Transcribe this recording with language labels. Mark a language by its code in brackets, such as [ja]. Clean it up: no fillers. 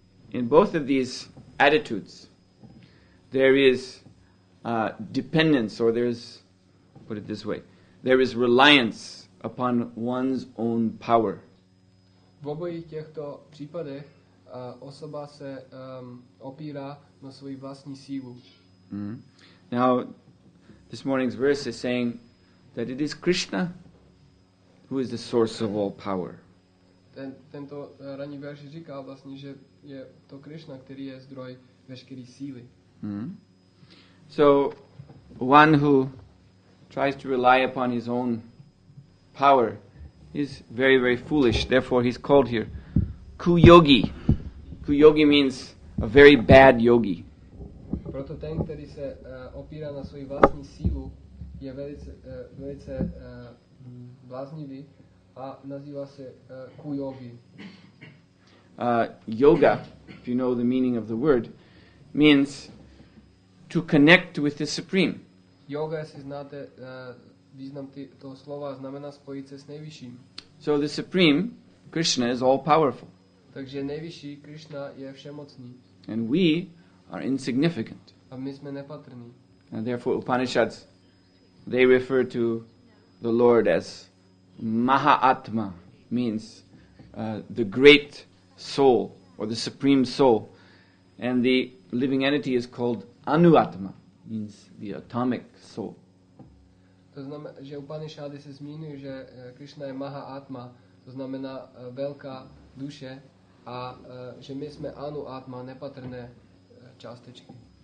[en] In both of these attitudes, there is dependence, or there is, put it this way, there is reliance upon one's own power. [cs] V obojích těchto případech osoba se opírá na svoji vlastní sílu. [en] Now, this morning's verse is saying that it is Krishna who is the source of all power. [cs] Tento ranní verš říká vlastně, že je to Krishna, který je zdroj veškeré síly. [en] So, one who tries to rely upon his own power is very, very foolish. Therefore, he's called here Kuyogi. Kuyogi means a very bad yogi. [cs] Proto ten, který se opírá na svoji vlastní sílu, je velice bláznivý a nazývá se kujogi. [en] Yoga, if you know the meaning of the word, means to connect with the supreme. [cs] Yoga, jestli znáte význam toho slova, znamená spojit se s nejvyšším. [en] So the supreme, Krishna, is all powerful. [cs] Takže nejvyšší Krishna je všemocný. [en] And we are insignificant. [cs] A my jsme nepatrní. [en] And therefore Upanishads, they refer to the Lord as Mahatma, means the great soul or the supreme soul. And the living entity is called Anuatma, means the atomic soul. [cs] To znamená, že Upanishady se zmínují, že Krishna je Mahatma, to znamená velká duše, a že my jsme Anuatma, nepatrné částečky.